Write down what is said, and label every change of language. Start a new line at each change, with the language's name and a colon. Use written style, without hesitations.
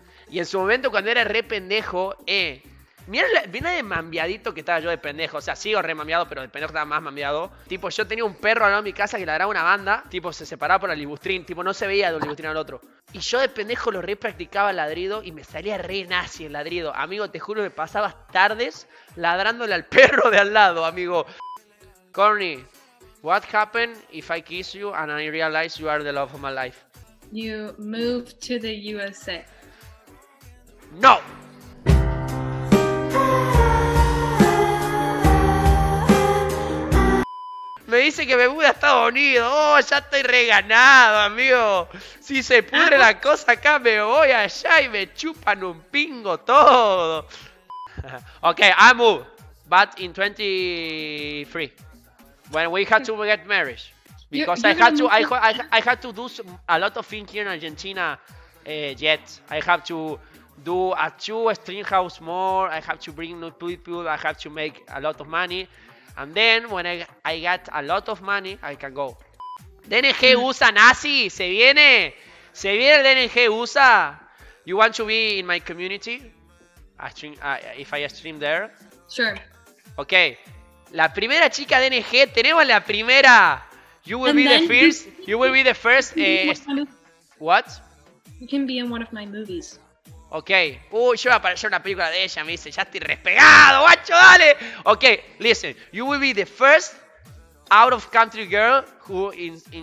Spanish: Y en su momento, cuando era re pendejo, Mira de mambiadito que estaba yo de pendejo. O sea, sigo re mambiado, pero de pendejo estaba más mambiado. Tipo, yo tenía un perro al lado de mi casa que ladraba una banda. Tipo, se separaba por el libustrín. Tipo, no se veía de un libustrín al otro. Y yo de pendejo lo re practicaba el ladrido y me salía re nazi el ladrido. Amigo, te juro, me pasabas tardes ladrándole al perro de al lado, amigo.
English: Corny, what happened if I kiss you and I realize you are the love of my life? You move to the USA. No.
Spanish: Me dice que me mude a Estados Unidos. Oh, ya estoy reganado, amigo. Si se pudre la cosa acá, me voy allá y me chupan un pingo todo.
English: Okay, I move, but in 23, when we had to get married, because I had to do a lot of things here in Argentina. Yet I have to do a 2-string house more. I have to bring new people. I have to make a lot of money. And then, when I get a lot of money, I can go.
Spanish: DNG USA nazi, se viene. Se viene el DNG USA.
English: You want to be in my community? If I stream there? Sure.
Spanish: Okay. La primera chica DNG, tenemos la primera.
English: You will be the first. You will be the first. What? You can be in one of my movies. Okay.
Spanish: Yo voy a aparecer una película de ella, me dice, ya estoy respegado, guacho, dale.
English: Okay, listen, you will be the first out of country girl who in